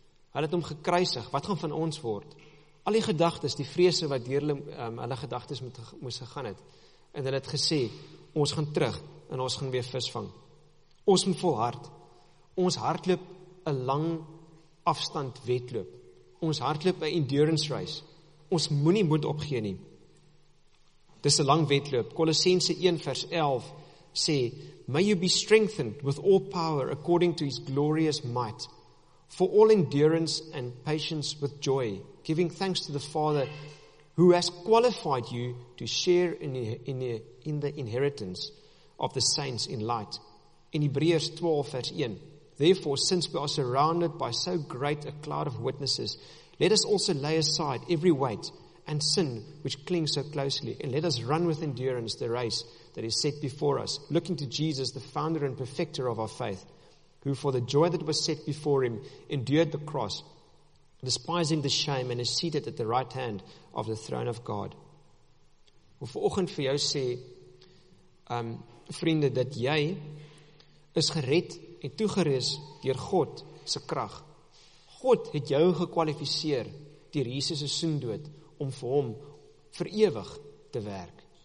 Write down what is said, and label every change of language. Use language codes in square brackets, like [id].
[af] Hulle het hom gekruisig, wat gaan van ons word? Al die gedagtes, die vrese wat deur hulle gedagtes moes gegaan het, en hulle het gesê, ons gaan terug en ons gaan weer vis vang. Ons moet volhard. Ons hardloop 'n lang afstand wedloop. Ons hardloop 'n endurance race. Ons moenie moed opgee nie. Dis 'n lang wedloop. [en] Kolossense 1 vers 11 sê, "May you be strengthened with all power according to his glorious might, for all endurance and patience with joy, giving thanks to the Father who has qualified you to share in the inheritance of the saints in light." In Hebreërs 12 vers 1, "Therefore, since we are surrounded by so great a cloud of witnesses, let us also lay aside every weight and sin which clings so closely, and let us run with endurance the race that is set before us, looking to Jesus, the founder and perfecter of our faith, who for the joy that was set before him endured the cross, despising the shame, and is seated at the right hand of the throne of God." [af] Ek wil vanoggend vir jou sê, vriende, dat jy is gered en toegerus deur God se krag. God het jou gekwalifiseer deur Jesus se soendood om vir hom vir ewig te werk.